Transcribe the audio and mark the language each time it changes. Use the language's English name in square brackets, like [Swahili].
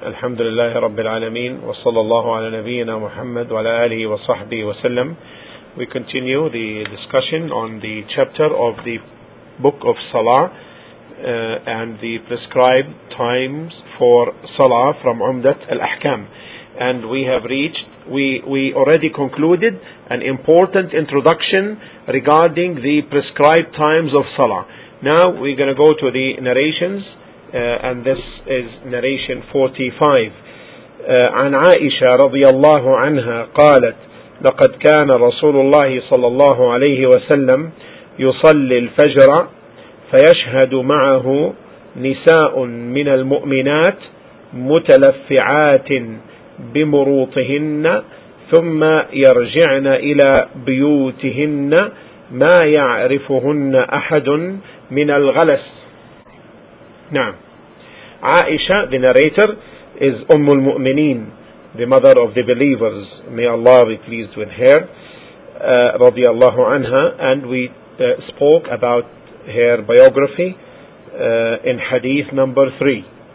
[Arabic] الحمد لله رب العالمين وصلى الله على نبينا محمد وعلى آله وصحبه وسلم. [English] We continue the discussion on the chapter of the book of Salah and the prescribed times for Salah from Umdat al-Ahkam. And we have reached, we already concluded an important introduction regarding the prescribed times of Salah. Now we're going to go to the narrations. And this is narration 45. [Arabic] عن عائشة رضي الله عنها قالت لقد كان رسول الله صلى الله عليه وسلم يصلي الفجر فيشهد معه نساء من المؤمنات متلفعات بمروطهن ثم يرجعن إلى بيوتهن ما يعرفهن أحد من الغلس. نعم. [English] Aisha, the narrator, is Ummul Mu'mineen, the mother of the believers. May Allah be pleased with her, radiallahu anha. And we spoke about her biography in hadith number 3.